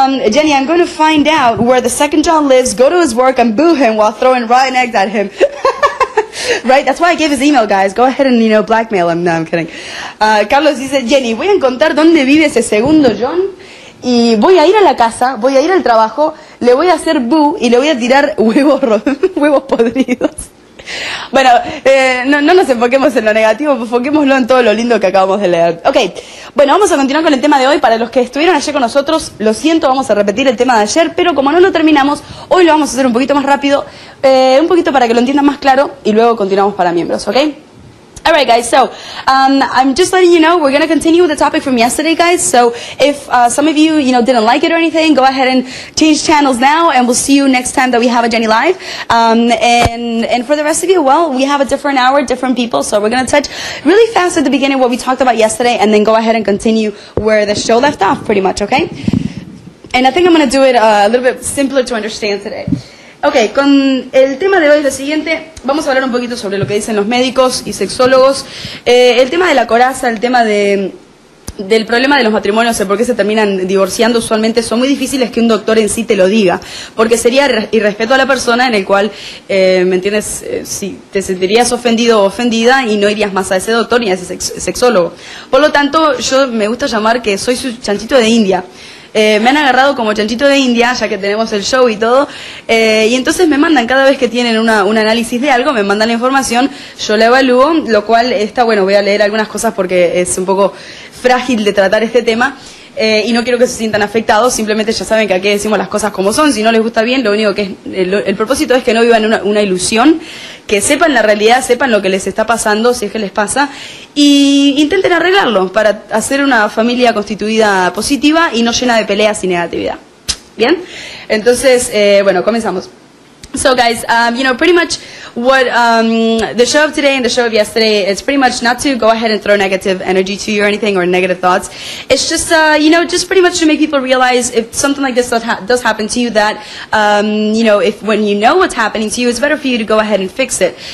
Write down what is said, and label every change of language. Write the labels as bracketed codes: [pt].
[en] Jenny, I'm going to find out where the second John lives, go to his work and boo him while throwing rotten eggs at him. Right, that's why I gave his email, guys. Go ahead and, you know, blackmail him. No, I'm kidding. [es] Carlos dice, Jenny, voy a encontrar dónde vive ese segundo John y voy a ir a la casa, voy a ir al trabajo, le voy a hacer boo y le voy a tirar huevos podridos. Bueno, no nos enfoquemos en lo negativo, enfoquémoslo en todo lo lindo que acabamos de leer. Ok, bueno, vamos a continuar con el tema de hoy. Para los que estuvieron ayer con nosotros, lo siento, vamos a repetir el tema de ayer, pero como no lo terminamos, hoy lo vamos a hacer un poquito más rápido, un poquito para que lo entiendan más claro, y luego continuamos para miembros, ¿ok? [en] All right, guys, so I'm just letting you know we're going to continue with the topic from yesterday, guys. So if some of you, you know, didn't like it or anything, go ahead and change channels now, and we'll see you next time that we have a Jenny Live. And for the rest of you, well, we have a different hour, different people, so we're going to touch really fast at the beginning what we talked about yesterday and then go ahead and continue where the show left off pretty much, okay? And I think I'm going to do it a little bit simpler to understand today. [es] Ok, con el tema de hoy es lo siguiente, vamos a hablar un poquito sobre lo que dicen los médicos y sexólogos, el tema de la coraza, el tema del problema de los matrimonios, el por qué se terminan divorciando usualmente, son muy difíciles que un doctor en sí te lo diga, porque sería irrespeto a la persona en el cual, ¿me entiendes?, si te sentirías ofendido o ofendida y no irías más a ese doctor ni a ese sexólogo. Por lo tanto, yo me gusta llamar que soy su chanchito de India. Me han agarrado como chanchito de India, ya que tenemos el show y todo, y entonces me mandan, cada vez que tienen un análisis de algo, me mandan la información, yo la evalúo, lo cual está bueno, voy a leer algunas cosas porque es un poco frágil de tratar este tema. Y no quiero que se sientan afectados, simplemente ya saben que aquí decimos las cosas como son. Si no les gusta bien, lo único que es, el propósito es que no vivan una ilusión, que sepan la realidad, sepan lo que les está pasando, si es que les pasa, y intenten arreglarlo para hacer una familia constituida positiva y no llena de peleas y negatividad. ¿Bien? Entonces, bueno, comenzamos. [en] So guys, you know, pretty much what the show of today and the show of yesterday, it's pretty much not to go ahead and throw negative energy to you or anything or negative thoughts. It's just, you know, just pretty much to make people realize if something like this does happen to you that, you know, if when you know what's happening to you, it's better for you to go ahead and fix it.